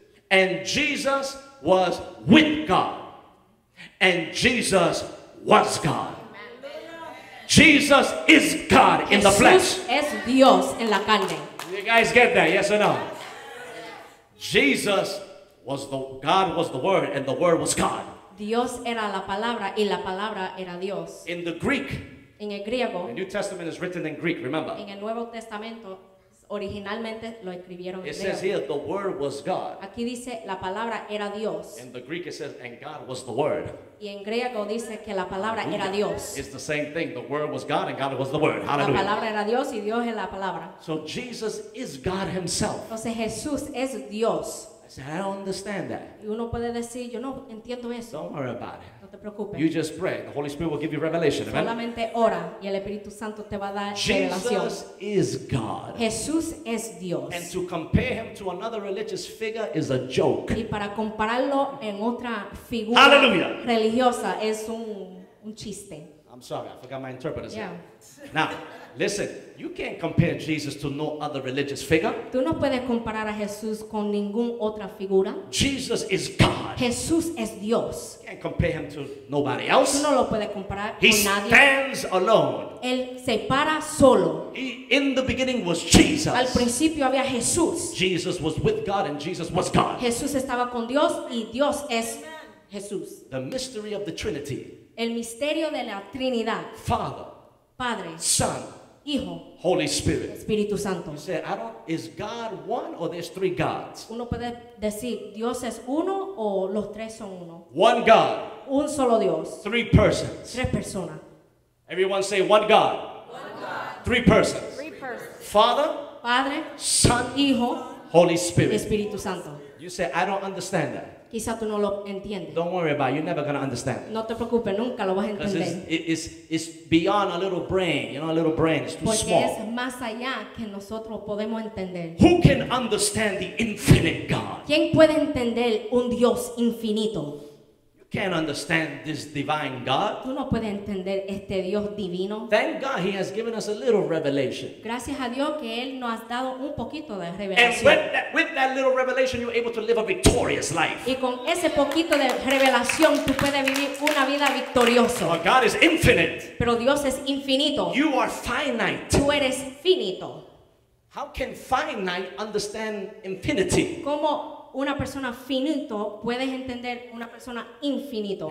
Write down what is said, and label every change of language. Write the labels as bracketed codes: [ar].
[en] And Jesus was with God. And Jesus was God. Jesus is God in the flesh. [es] Jesús es Dios en la carne. [en] You guys get that, yes or no? Jesus was the God was the Word and the Word was God. [es] Dios era la palabra y la palabra era Dios. [en] In the Greek. [es] En el griego, [en] the New Testament is written in Greek, remember. [es] En el Nuevo Testamento, originalmente lo escribieron [en] it says here, the Word was God. [es] Aquí dice, la palabra era Dios. [en] In the Greek it says, and God was the Word. [es] Y en griego dice que la palabra era Dios. [en] It's the same thing, the Word was God and God was the Word. Hallelujah. [es] La palabra era Dios y Dios es la palabra. [en] So Jesus is God himself. [es] Entonces Jesús es Dios. [en] I said, I don't understand that. [es] Y uno puede decir, yo no entiendo eso. [en] Don't worry about it. [es] No te preocupes. [en] You just pray. The Holy Spirit will give you revelation. Amen? [es] Solamente ora y el Espíritu Santo te va a dar revelación. [en] Jesus is God. [es] Jesús es Dios. [en] And to compare him to another religious figure is a joke. [es] Y para compararlo en otra figura Hallelujah. Religiosa es un chiste. [en] I'm sorry, I forgot my interpreter's yeah. name. Now, Listen, you can't compare Jesus to no other religious figure. [es] Tú no puedes comparar a Jesús con ninguna otra figura. [en] Jesus is God. [es] Jesús es Dios. [en] You can't compare him to nobody else. [es] Tú no lo puedes comparar [en] he [es] con nadie. [en] He stands alone. [es] Él se para solo. [en] He, in the beginning was Jesus. [es] Al principio había Jesús. [en] Jesus was with God and Jesus was God. [es] Jesús estaba con Dios y Dios es Jesús. [en] The mystery of the Trinity. [es] El misterio de la Trinidad. [en] Father. [es] Padre. [en] Son. [es] Hijo. [en] Holy Spirit. [es] Espíritu Santo. [en] You say, I don't, is God one or there's three gods? [es] Uno puede decir, Dios es uno o los tres son uno. [en] One God. [es] Un solo Dios. [en] Three persons. [es] Tres personas. [en] Everyone say one God. One God. Three persons. Three persons. Father. [es] Padre. [en] Son. [es] Hijo. [en] Holy Spirit. [es] Espíritu Santo. [en] You say, I don't understand that. [es] Quizá tú no lo entiendes. [en] Don't worry about it. You're never gonna understand. [es] No te preocupes, nunca lo vas a entender. [en] Because it's beyond a little brain. You know, a little brain is too [es] Porque [en] small. [es] Es más allá que nosotros podemos entender. [en] Who can understand the infinite God? [es] ¿Quién puede entender un Dios infinito? [en] You can't understand this divine God. [es] Tú no puedes entender este Dios divino. [en] Thank God he has given us a little revelation. [es] Gracias a Dios que él nos ha dado un poquito de revelación. [en] And with that little revelation, you're able to live a victorious life. [es] Y con ese poquito de revelación, tú puedes vivir una vida victoriosa. [en] But God is infinite. [es] Pero Dios es infinito. [en] You are finite. [es] Tú eres finito. [en] How can finite understand infinity? [es] ¿Cómo una persona finito puedes entender una persona infinito?